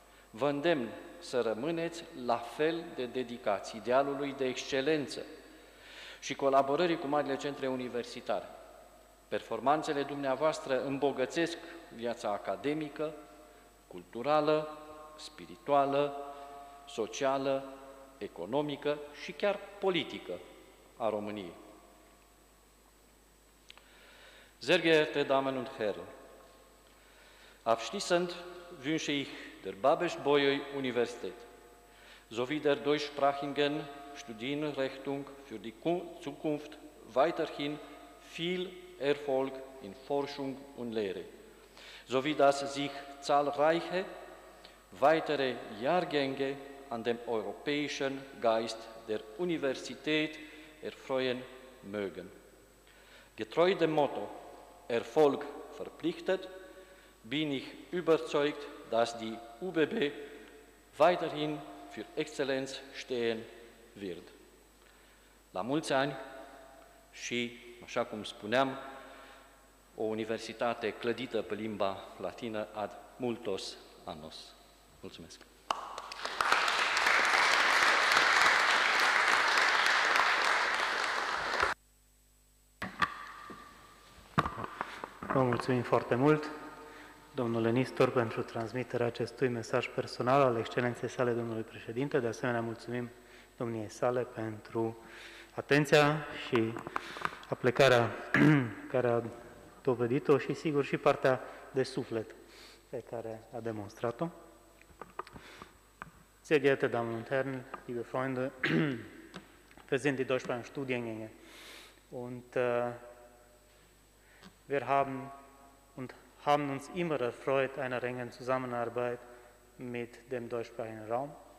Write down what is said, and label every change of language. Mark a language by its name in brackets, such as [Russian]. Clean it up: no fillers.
[Romanian] Vă îndemn să rămâneți la fel de dedicați idealului de excelență și colaborării cu marile centre universitare. Performanțele dumneavoastră îmbogățesc viața academică, culturală, spirituală, socială, economică și chiar politică a României. [German] Sehr geehrte Damen und Herren, abschließend wünsche ich der Babeș-Bolyai Universität sowie der deutschsprachigen Studienrichtung für die Zukunft weiterhin viel Erfolg in Forschung und Lehre, sowie dass sich zahlreiche weitere Jahrgänge an dem europäischen Geist der Universität erfreuen mögen. Getreu dem Motto Erfolg verpflichtet, bin ich überzeugt, dass die UBB weiterhin für Exzellenz stehen wird. [Romanian] La mulți ani și, așa cum spuneam, o universitate clădită pe limba latină [Latin] ad multos annos. [Romanian] Mulțumesc! Vă mulțumim foarte mult, domnule Nistor, pentru transmiterea acestui mesaj personal al excelenței sale, domnului președinte. De asemenea, mulțumim domniei sale pentru atenția și aplicarea care a dovedit-o și, sigur, și partea de suflet pe care a demonstrat-o. [German] Sehr geehrte Damen und Herren, liebe Freunde, wir sind die deutschsprachigen Studiengänge und wir haben und haben uns immer erfreut einer engen Zusammenarbeit mit dem deutschsprachigen Raum.